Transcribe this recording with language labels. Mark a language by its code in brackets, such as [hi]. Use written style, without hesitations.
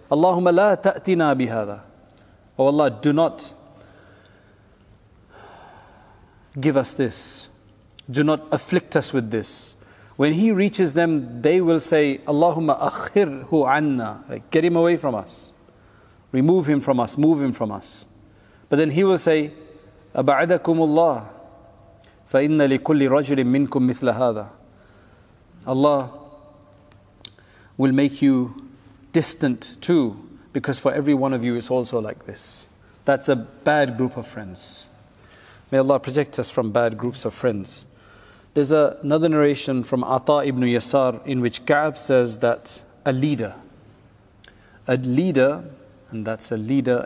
[ar] Allahumma la ta'tina bihadha. [en] Oh Allah, do not give us this. Do not afflict us with this. When he reaches them, they will say, [ar] Allahumma akhirhu anna. [en] Like, get him away from us. Remove him from us. Move him from us. But then he will say, [ar] أَبَعَدَكُمُ اللَّهِ فَإِنَّ لِكُلِّ رَجُلٍ مِّنْكُمْ مِثْلَ هَذَا. [en] Allah will make you distant too, because for every one of you is also like this. That's a bad group of friends. May Allah protect us from bad groups of friends. There's another narration from Ata ibn Yasar in which Ka'ab says that a leader, and that's a leader.